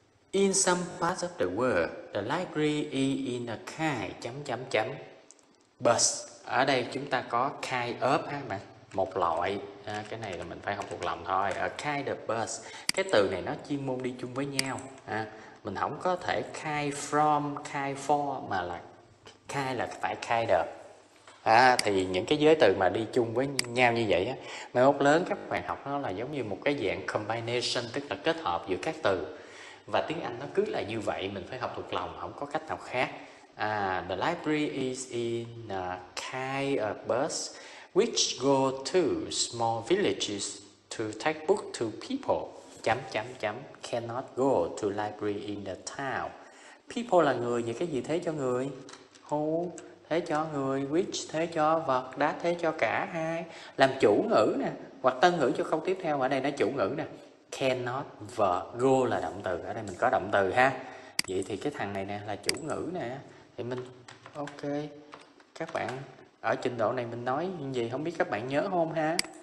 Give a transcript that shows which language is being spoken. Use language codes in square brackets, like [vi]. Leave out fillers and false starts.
[en] In some parts of the world, the library is in a kind .. [vi] Ở đây chúng ta có kind of ha bạn. Một loại. Cái này là mình phải học thuộc lòng thôi. [en] A kind of bus. [vi] Cái từ này nó chuyên môn đi chung với nhau. mình không có thể khai from, khai for, mà là khai là phải khai được. À, thì những cái giới từ mà đi chung với nhau như vậy á, mai mốt lớn các bạn học nó là giống như một cái dạng combination, tức là kết hợp giữa các từ. Và tiếng Anh nó cứ là như vậy, mình phải học thuộc lòng, không có cách nào khác. [en] À, the library is in a kind of bus which go to small villages to take book to people. [vi] Chấm chấm chấm, [en] cannot go to library in the town. [vi] People là người, vậy cái gì thế cho người? Who? Thế cho người, which? Thế cho vật, that? Thế cho cả hai. Làm chủ ngữ nè, hoặc tân ngữ cho câu tiếp theo, ở đây nó chủ ngữ nè. Cannot, verb, go là động từ, ở đây mình có động từ ha. Vậy thì cái thằng này nè là chủ ngữ nè. Thì mình, ok, các bạn ở trình độ này mình nói gì không biết các bạn nhớ không ha.